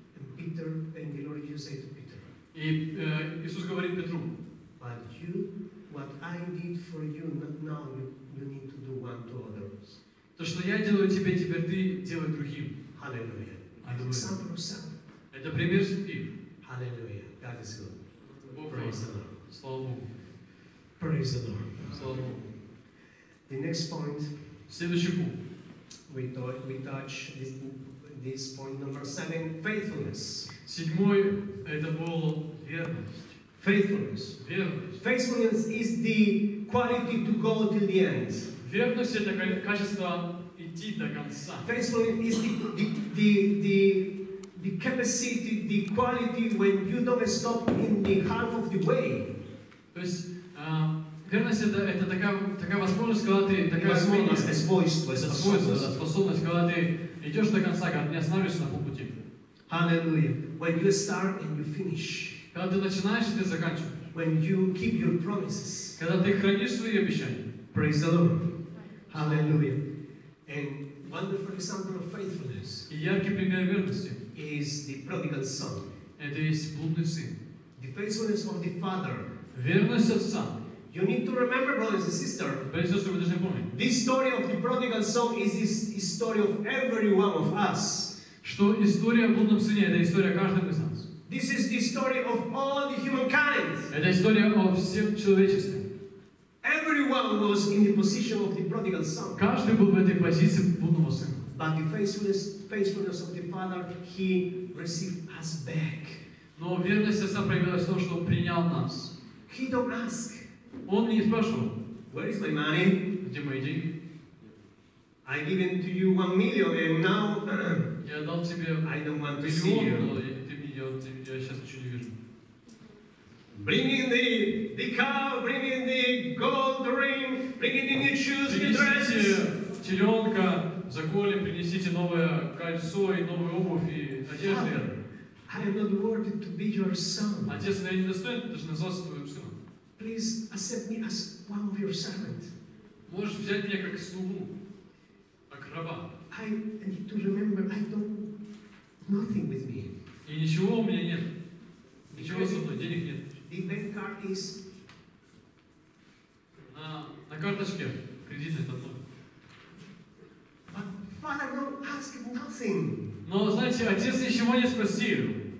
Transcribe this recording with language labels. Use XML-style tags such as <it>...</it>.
<en>And Peter and the Lord Jesus said to Peter.</en> <ru>И Иисус говорит Петру.</ru> <en>But you, what I did for you, not now you. You need to do one to others.</en> <ru>То, что я делаю тебе, теперь ты делай другим. Аллилуйя.</ru> <en>Example of son.</en> <ru>Это пример судьи.</ru> <en>Аллилуйя. God is good. Praise the Lord.</en> <ru>Слава Богу.</ru> <en>Praise the Lord.</en> <ru>Слава Богу.</ru> <en>The next point.</en> <ru>Следующий пункт.</ru> <en>We touch this point number 7. Faithfulness.</en> <ru>Седьмой это был верность.</ru> <en>Faithfulness.</en> <ru>Верность.</ru> <en>Faithfulness is the quality to go till the end.</en> <ru>Верность это качество идти до конца.</ru> <en>Faithfulness is the capacity, the quality when you don't stop in the half of the way.</en> <ru>То есть верность это такая возможность, когда ты способность, когда ты идешь до конца, когда не останавливаешься на полпути.</ru> <en>Hallelujah. When you start and you finish.</en> <ru>Когда ты начинаешь, ты заканчиваешь.</ru> <en>When you keep your promises.</en> <ru>Когда ты хранишь свои обещания.</ru> <en>Praise the Lord. Hallelujah. And wonderful example of faithfulness.</en> <ru>И яркий пример верности.</ru> <en>Is the prodigal son.</en> <ru>Это есть блудный сын.</ru> <en>The faithfulness of the father.</en> <ru>Верность отца.</ru> <en>You need to remember, brothers and sisters.</en> <ru>Братья и сестры, вы должны помнить.</ru> <en>This story of the prodigal son is this story of every one of us.</en> <ru>Что история о блудном сыне это история каждого из нас.</ru> <en>This is the story of all the humankind.</en> <ru>Это история о всем человечестве.</ru> <en>Everyone was in the position of the prodigal son.</en> <ru>Каждый был в этой позиции блудного сына.</ru> <en>But the faithfulness of the father, he received us back.</en> <ru>Но верность отца проявилась в том, что он принял нас.</ru> <en>He don't ask.</en> <ru>Он не спрашивал.</ru> <en>Where is my money?</en> <ru>Где мои деньги?</ru> <en>I given to you 1 million and now.</en> <ru>Я дал тебе.</ru> <en>I don't want to see you.</en> <ru>Я сейчас ничего не вижу.</ru> <en>Bring in the cow, bring in the gold ring, bring in the new shoes, new dresses.</en> <ru>Принесите теленка, заколем, принесите новое кольцо и новую обувь и одежду.</ru> <en>Father, I am not worthy to be your son.</en> <ru>Отец, я не достоин даже назваться твоим сыном.</ru> <en>Please accept me as one of your servant.</en> <ru>Можешь взять меня как слугу, как раба.</ru> <en>I need to remember, I don't nothing with me.</en> <ru>И ничего у меня нет. Ничего со мной, денег нет.</ru> <en>The bank card is...</en> <ru>На карточке кредит этот номер.</ru> <en>But father will ask nothing.</en> <ru>Но знаете, отец ничего не спросил.</ru>